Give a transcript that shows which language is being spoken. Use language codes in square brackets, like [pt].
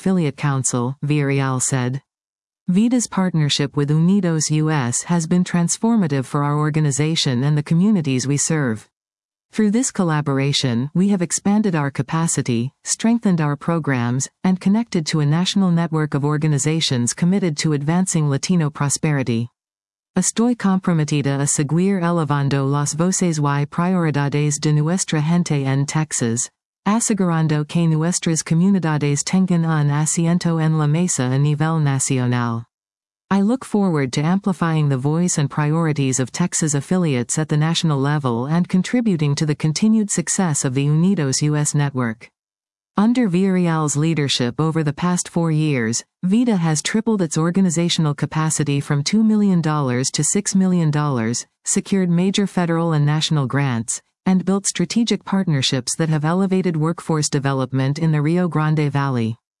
[en] Affiliate Council, Villarreal said. VITA's partnership with UNIDOS U.S. has been transformative for our organization and the communities we serve. Through this collaboration, we have expanded our capacity, strengthened our programs, and connected to a national network of organizations committed to advancing Latino prosperity. [es] Estoy comprometida a seguir elevando las voces y prioridades de nuestra gente en Texas, asegurando que nuestras comunidades tengan un asiento en la mesa a nivel nacional. [en] I look forward to amplifying the voice and priorities of Texas affiliates at the national level and contributing to the continued success of the UNIDOS U.S. network. Under Villarreal's leadership over the past 4 years, VITA has tripled its organizational capacity from $2 million to $6 million, secured major federal and national grants, and built strategic partnerships that have elevated workforce development in the Rio Grande Valley.